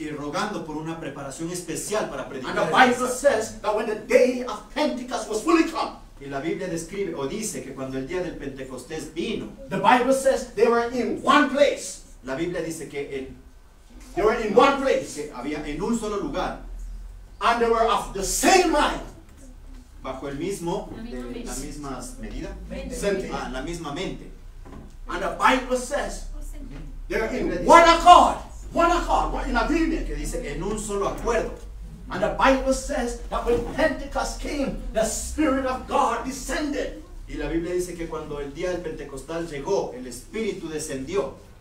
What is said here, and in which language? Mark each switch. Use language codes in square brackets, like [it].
[es] Y rogando por una preparación especial para predicar. [en] And the Bible says that when the day of Pentecost was fully come. [es] Y la Biblia describe o dice que cuando el día del Pentecostés vino. [en] The Bible says they were in one place. [es] La Biblia dice que en [en] they were in one place. [es] Había en un solo lugar. [en] And they were of the same mind. [es] Bajo el mismo, la misma medida. La misma mente. [en] And the Bible says, they are in one accord. One accord. In agreement. [es] Que dice en un solo acuerdo. [en] And the Bible says that when Pentecost came, the Spirit of God descended. [es] Y la Biblia dice que cuando el día del Pentecostal llegó, el Espíritu descendió.